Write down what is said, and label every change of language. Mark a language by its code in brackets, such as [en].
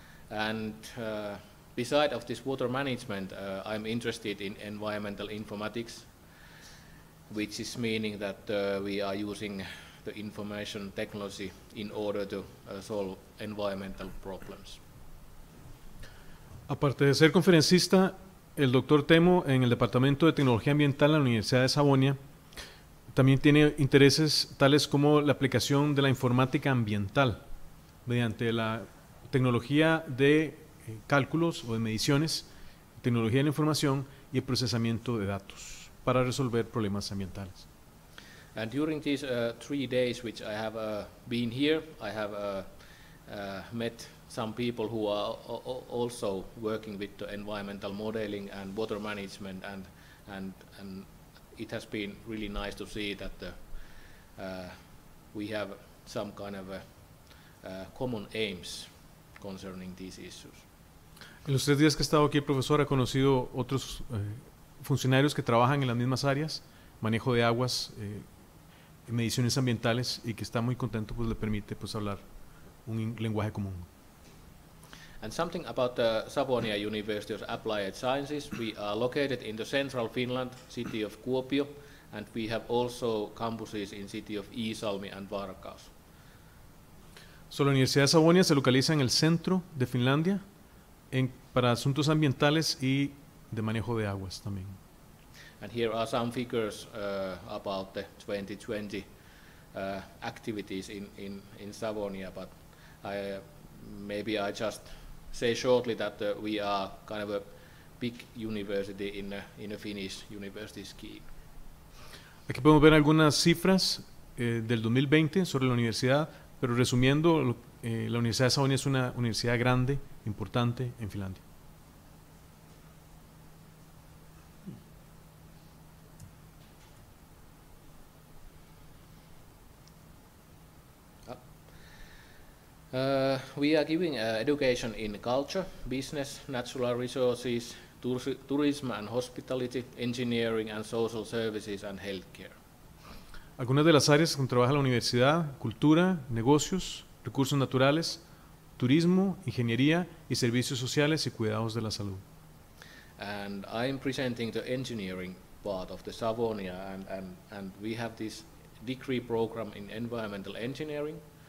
[en] And beside of this water management, I'm interested in environmental informatics, which is meaning that we are using the information technology in order to solve environmental problems. [es] Aparte de ser conferencista, el doctor Teemu en el Departamento de Tecnología Ambiental de la Universidad de Savonia también tiene intereses tales como la aplicación de la informática ambiental mediante la tecnología de cálculos o de mediciones, tecnología de la información y el procesamiento de datos para resolver problemas ambientales. [en] And during these three days which I have been here, I have met some people who are also working with the environmental modeling and water management, and it has been really nice to see that we have some kind of common aims concerning these issues. [es] En los tres días que he estado aquí, el profesor ha conocido otros funcionarios que trabajan en las mismas áreas, manejo de aguas, mediciones ambientales, y que está muy contento, pues le permite pues hablar un lenguaje común. [en] And something about the Savonia University of Applied Sciences. We are located in the central Finland city of Kuopio, and we have also campuses in city of Iisalmi and Varkaus. [es] So, la Universidad de Savonia se localiza en el centro de Finlandia en, para asuntos ambientales y de manejo de aguas también. [en] And here are some figures about the 2020 activities in Savonia, but I just say shortly that we are kind of a big university in a Finnish university scheme. [es] Aquí podemos ver algunas cifras del 2020 sobre la universidad, pero resumiendo, la Universidad de Savonia es una universidad grande, importante en Finlandia. [en] We are giving education in culture, business, natural resources, tourism and hospitality, engineering and social services and healthcare. [es] Algunas de las áreas donde trabaja la universidad: cultura, negocios, recursos naturales, turismo, ingeniería y servicios sociales y cuidados de la salud. [en] And I'm presenting the engineering part of the Savonia, and we have this degree program in environmental engineering.